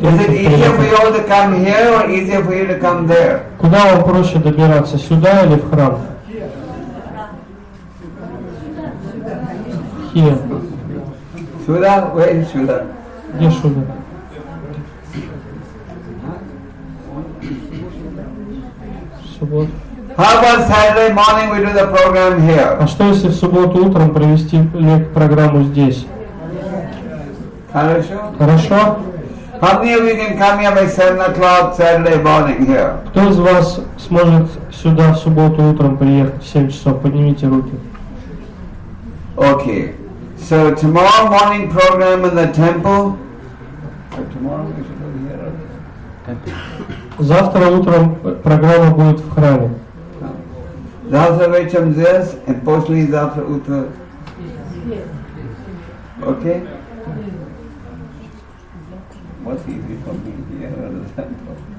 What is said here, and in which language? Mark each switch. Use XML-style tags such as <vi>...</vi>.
<en>Is it easier for you to come here or easier for you to come there?</en> <ru>Куда вам проще добираться, сюда или в храм?</ru> <en>Here.</en> <ru>Сюда?</ru> <en>Where is</en> <ru>сюда? Где сюда? Субботу.</ru> <en>How about Saturday morning we do the program here?</en> <ru>А что если в субботу утром провести программу здесь? Хорошо. Хорошо.</ru> <en>How many of you can come here by 7 o'clock Saturday morning here?</en> <ru>Кто из вас сможет сюда в субботу утром приехать в 7 часов? Поднимите руки.</ru> <en>Okay. So tomorrow morning program in the temple.</en> <ru>Завтра утром программа будет в храме. Завтра вечером здесь, и после завтра утро. Окей?</ru> <en>What's easy for me here at the temple?</en>